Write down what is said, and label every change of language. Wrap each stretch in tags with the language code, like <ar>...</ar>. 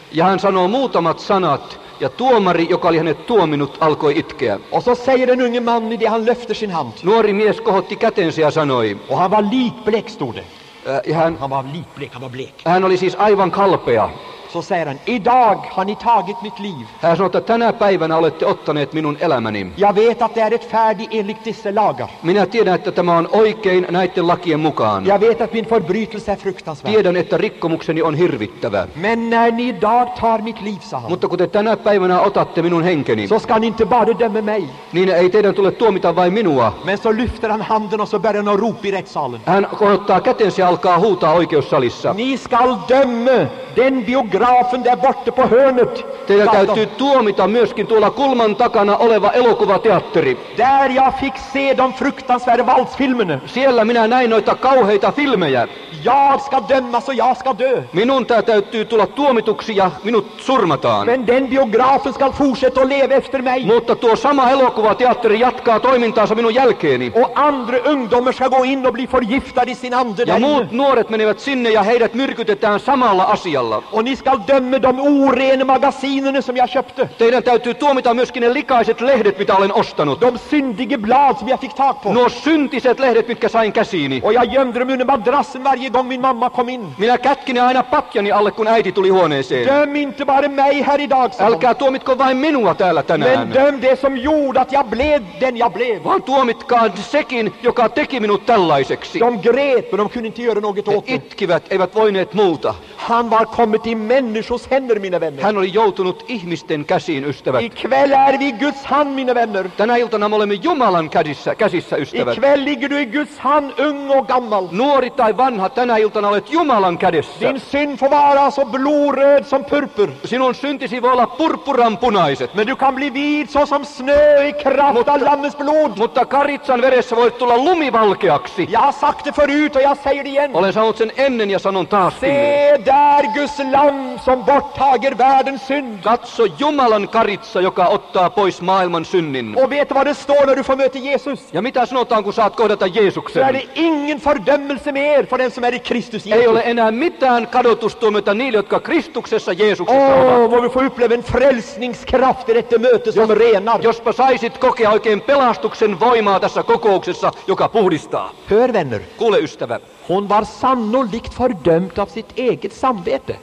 <fi>Ja hän sanoo muutamat sanat, ja tuomari, joka oli hänet tuominut, alkoi itkeä.</fi> <sv>Och så säger den unge man i det han löfter sin hand. Nuori mies kohotti kätensä ja sanoi. Och han var likblek, stod det. Han var livblek, han var blek.</sv> <fi>Han oli siis aivan kalpea.</fi> <sv>Så säger han, idag har ni tagit mitt liv.</sv> <fi>Här sanoo, että tänä päivänä olette ottaneet minun elämäni.</fi> <sv>Jag vet att det är rättfärdigt enligt dessa lagar.</sv> <fi>Minä tiedän, että tämä on oikein näiden lakien mukaan.</fi> <sv>Jag vet att min förbrytelse är fruktansvärt.</sv> <fi>Tiedän, että rikkomukseni on hirvittävä.</fi> <sv>Men när ni idag tar mitt liv, sa han.</sv> <fi>Mutta kun te tänä päivänä otatte minun henkeni.</fi> <sv>Så ska ni inte bara döma mig.</sv> <fi>Niin ei teidän tule tuomita vain minua.</fi> <sv>Men så lyfter han handen och så börjar han ropa i rättssalen.</sv> <fi>Hän korottaa kätensä ja alkaa huutaa oikeussalissa.</fi> <sv>Ni skall döma den biografi. Grafen där borta på hörnet.</sv> <fi>Teillä täytyy tuomita myöskin tuolla kulman takana oleva elokuvateatteri.</fi> <sv>Där jag fick se de fruktansvärda valsfilmerna.</sv> <fi>Siellä minä näin noita kauheita filmejä.</fi> <sv>Jag ska dömas och jag ska dö.</sv> <fi>Minun täytyy tulla tuomituksi ja minut surmataan.</fi> <sv>Men den biografen ska fortsätta att leva efter mig.</sv> <fi>Mutta tuo sama elokuvateatteri jatkaa toimintaansa minun jälkeeni.</fi> <sv>Och andra ungdomar ska gå in och bli förgiftade i sin ande.</sv> <fi>Ja muut nuoret menevät sinne ja heidät myrkytetään samalla asialla.</fi> <sv>Och ni ska döma de orena magasinerna som jag köpte.</sv> <fi>Teidän täytyy tuomita myöskin ne likaiset lehdet, mitä olen ostanut.</fi> <sv>De syndige blad som jag fick tag på.</sv> <fi>Nuo syntiset lehdet, mitkä sain käsiini.</fi> <sv>Och jag gömde dem under madrassen varje gång min mamma kom in.</sv> <fi>Minä kätkin aina patjani alle, kun äiti tuli huoneeseen.</fi> <sv>Döm inte bara mig här idag, sa hon.</sv> <fi>Älkää tuomitko vain minua täällä tänään.</fi> <sv>Men döm det som gjorde att jag blev den jag blev.</sv> <fi>Vaan tuomitkaa sekin, joka teki minut tällaiseksi.</fi> <sv>De grät, men de kunde inte göra något åt.</sv> <fi>He itkivät, eivät voineet muuta.</fi> <sv>Han var kommit i människors händer, mina vänner.</sv> <fi>Hän oli joutunut ihmisten käsiin, ystävät.</fi> <sv>I kväll är vi Guds hand, mina vänner.</sv> <fi>Tänä iltana me olemme Jumalan käsissä, ystävät.</fi> <sv>I kväll ligger du i Guds hand, ung och gammal.</sv> <fi>Nuori tai vanha, tänä iltana olet Jumalan kädessä.</fi> <sv>Din synd får vara så blodröd som purpur.</sv> <fi>Sinun syntisi voi olla purpuran punaiset.</fi> <sv>Men du kan bli vit så som snö i kraft av lammens blod.</sv> <fi>Mutta karitsan veressä voit tulla lumivalkeaksi.</fi> <sv>Jag har sagt det förut och jag säger det igen.</sv> <fi>Olen sanonut sen ennen ja sanon taas.</fi> <sv>Se där Guds lamm som borttager världens synd.</sv> <fi>Katso Jumalan karitsa, joka ottaa pois maailman synnin.</fi> <sv>Och vet vad det står när du får möta Jesus?</sv> <fi>Ja mitä sanotaan, kun saat kohdata Jeesuksen?</fi> <sv>Så är det ingen fördömelse mer för den som är i Kristus Jesus.</sv> <fi>Ei ole enää mitään kadotustuomiota niille, jotka Kristuksessa Jeesuksessa ovat.</fi> <sv>Voi vi får uppleva en frälsningskraft i detta möte som renar.</sv> <fi>Jospa saisit kokea oikein pelastuksen voimaa tässä kokouksessa, joka puhdistaa.</fi> <sv>Hör, vänner.</sv> <fi>Kuule, ystävä.</fi> <sv>Hon var sannolikt fördömt av sitt eget samvete.</sv>